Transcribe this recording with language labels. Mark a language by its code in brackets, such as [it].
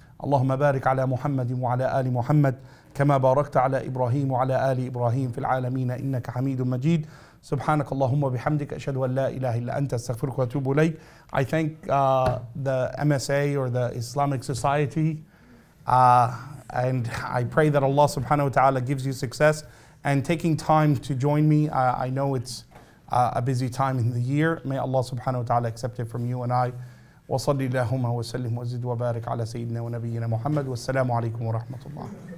[ar] Allahumma barik ala Muhammad wa ala ali Muhammad, كما باركت على إبراهيم وعلى آل إبراهيم في العالمين إنك حميد مجيد سبحانك اللهم وبحمدك أشهد أن لا إله إلا أنت أستغفرك وأتوب إليك. [en] I thank the MSA or the Islamic Society, and I pray that Allah subhanahu wa ta'ala gives you success and taking time to join me. I know it's a busy time in the year. May Allah subhanahu wa ta'ala accept it from you and I. [ar] وصلي اللهم وسلم وزد وبارك على سيدنا ونبينا محمد والسلام عليكم ورحمة الله.